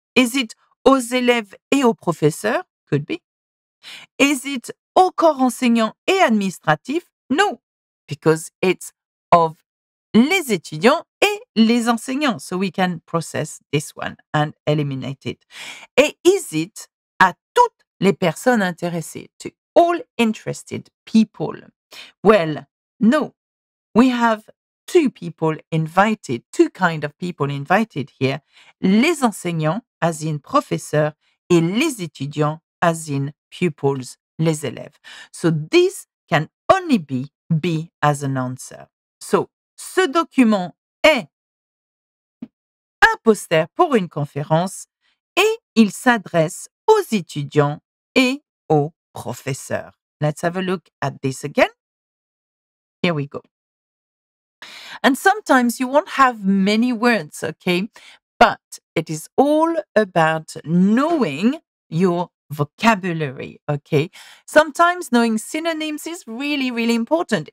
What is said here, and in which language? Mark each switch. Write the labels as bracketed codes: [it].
[en] Is it [fr] aux élèves et aux professeurs? [en] Could be. Is it [fr] au corps enseignant et administratif? [en] No, because it's of [fr] les étudiants et les enseignants. [en] So we can process this one and eliminate it. [fr] Et [en] is it [fr] à toutes les personnes intéressées? [en] To all interested people? Well, no. We have two people invited, two kind of people invited here. [fr] Les enseignants, as in professeurs, et les étudiants, [en] as in pupils, [fr] les élèves. [en] So this can only be as an answer. [fr] So, ce document est un poster pour une conférence et il s'adresse aux étudiants et aux professeurs. [en] Let's have a look at this again. Here we go. And sometimes you won't have many words, okay? But it is all about knowing your vocabulary, okay? Sometimes knowing synonyms is really, really important.